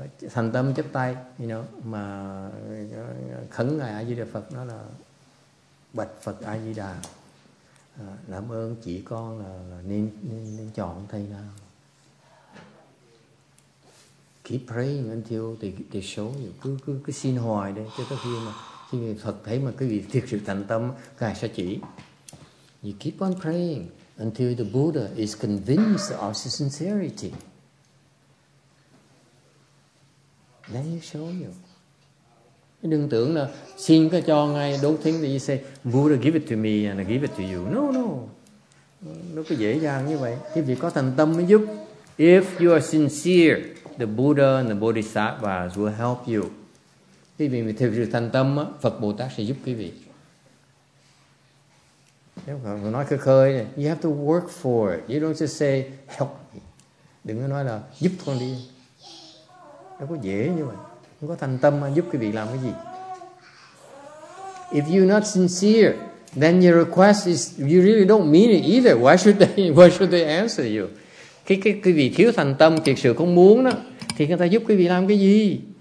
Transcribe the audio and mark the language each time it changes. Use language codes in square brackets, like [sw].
[vi] Thành tâm chấp tay, [en] you know, [vi] mà khấn ngài A Di Đà Phật, nó là bạch Phật A Di Đà, làm ơn chỉ con là nên chọn thầy nào. [en] Keep praying until they show you. [vi] Cứ xin hoài đấy, cho tới khi Phật thấy mà quý vị thực sự thành tâm, ngài sẽ chỉ. [en] You keep on praying until the Buddha is convinced of his sincerity. Then he'll show you. [vi] Đừng tưởng là xin cái cho ngay, [en] don't think that you say, Buddha give it to me and I give it to you. No, no. [vi] Nó có dễ dàng như vậy. Cái việc có thành tâm mới giúp. [en] If you are sincere, the Buddha and the Bodhisattvas will help you. [vi] Cái việc mà theo sự thành tâm, Phật Bồ Tát sẽ giúp quý vị. Nói khơi khơi, [en] you have to work for it. You don't just say, help me. [vi] Đừng có nói là giúp con đi. Nó có dễ như vậy. Không có thành tâm mà giúp quý vị làm cái gì. [en] If you're not sincere, then your request is, you really don't mean it either. Why should they answer you? [vi] Cái quý vị thiếu thành tâm, thiệt sự không muốn đó, thì người ta giúp quý vị làm cái gì?